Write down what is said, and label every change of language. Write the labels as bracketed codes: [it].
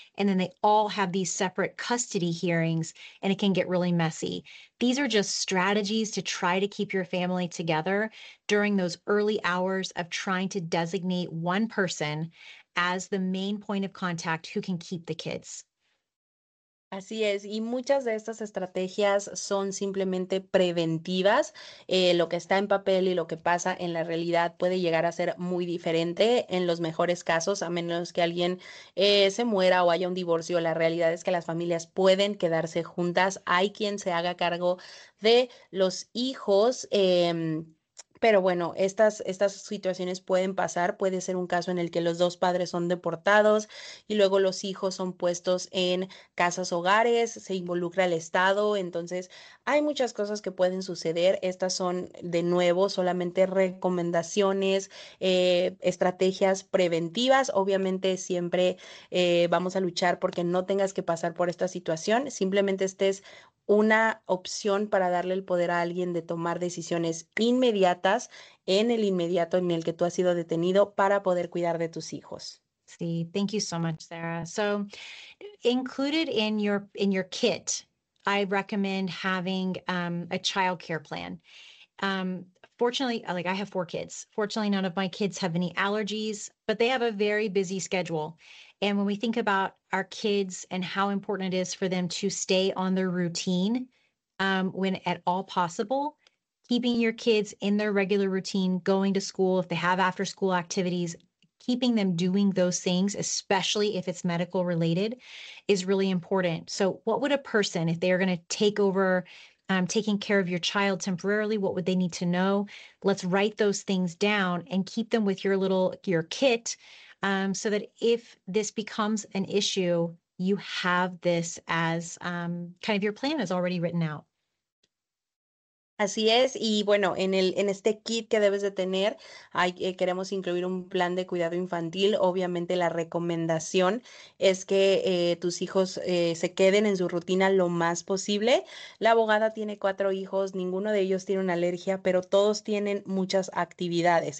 [en] And then they all have these separate custody hearings, and it can get really messy. These are just strategies to try to keep your family together during those early hours of trying to designate one person as the main point of contact who can keep the kids. [es] Así es, y muchas de estas estrategias son simplemente preventivas. Lo que está en papel y lo que pasa en la realidad puede llegar a ser muy diferente en los mejores casos, a menos que alguien se muera o haya un divorcio. La realidad es que las familias pueden quedarse juntas. Hay quien se haga cargo de los hijos. Pero bueno, estas situaciones pueden pasar. Puede ser un caso en el que los dos padres son deportados y luego los hijos son puestos en casas hogares, se involucra el Estado. Entonces, hay muchas cosas que pueden suceder. Estas son, de nuevo, solamente recomendaciones, estrategias preventivas. Obviamente, siempre vamos a luchar porque no tengas que pasar por esta situación. Simplemente estés una opción para darle el poder a alguien de tomar decisiones inmediatas en el inmediato en el que tú has sido detenido para poder cuidar de tus hijos. [en] See, thank you so much, Sarah. So included in your kit, I recommend having a child care plan. Fortunately, like I have four kids. Fortunately, none of my kids have any allergies, but they have a very busy schedule. And when we think about our kids and how important it is for them to stay on their routine, when at all possible, keeping your kids in their regular routine, going to school, if they have after school activities, keeping them doing those things, especially if it's medical related, is really important. So, what would a person, if they are going to take over taking care of your child temporarily, what would they need to know? Let's write those things down and keep them with your kit, so that if this becomes an issue, you have this as kind of your plan is already written out. [es] Así es, y bueno, en este kit que debes de tener, queremos incluir un plan de cuidado infantil. Obviamente la recomendación es que tus hijos se queden en su rutina lo más posible. La abogada tiene cuatro hijos, ninguno de ellos tiene una alergia, pero todos tienen muchas actividades.